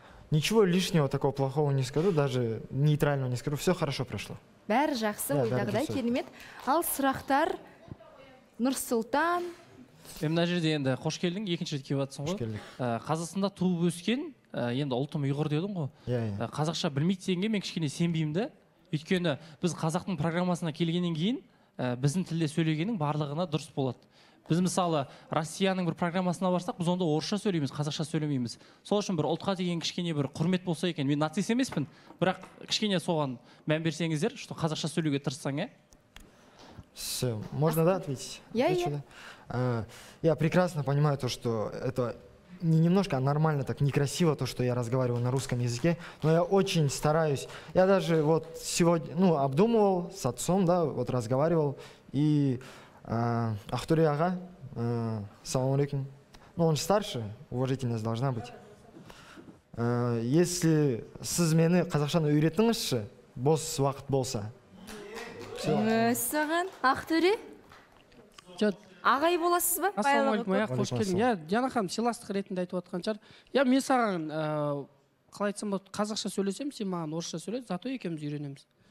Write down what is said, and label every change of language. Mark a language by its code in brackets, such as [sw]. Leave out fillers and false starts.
[ru] Ничего лишнего такого плохого не скажу, даже нейтрального не скажу. Все хорошо прошло. [kk] Бәрі жақсы, ойдағыдай керемет. Ал сұрақтар Нұрсұлтан. Мына жерде енді қош келдің, екінші рет келіп отырсың ғой. Қош келдік. Қазақстанда туып өскен, енді ұлтым ұйғыр дедің ғой. Иә, иә. Қазақша білмейді дегенге мен кішкене сенбеймін де. Өйткені біз қазақтың программасына келгеннен кейін біздің тілде сөйлегеннің барлығына дұрыс болады. Біз мысалы Россияның бір программасына барсақ, біз онда орысша сөйлейміз, қазақша сөйлемейміз. Сол үшін бір ұлтқа деген кішкене бір құрмет болса екен. Мен нацист емеспін, бірақ кішкене соған мән берсеңіздер, [ru] что [kk] қазақша сөйлеуге тырыссаң, иә. [ru] Все, можно, да, ответить? Я, отвечу, я. Да? Я прекрасно понимаю то, что это не немножко, а нормально так некрасиво то, что я разговариваю на русском языке, но я очень стараюсь. Я даже вот сегодня, ну, обдумывал с отцом, да, вот разговаривал, и Ахтури ага, салам алейкум. Ну, он же старше, уважительность должна быть. Если [kk] сіз мені қазақшаны үйретіңізші, бос уақыт болса, мәссаған. Ақтөре? Ағай боласыз ба? Ассалаумалейкум, я қош келдің. Я Диана ханым сыйластық ретінде айтып отқан шығар. Я мен саған қалай айтсам болады, қазақша сөйлесем, сен маған орысша сөйле, [ru] зато [kk] екеуміз үйренеміз.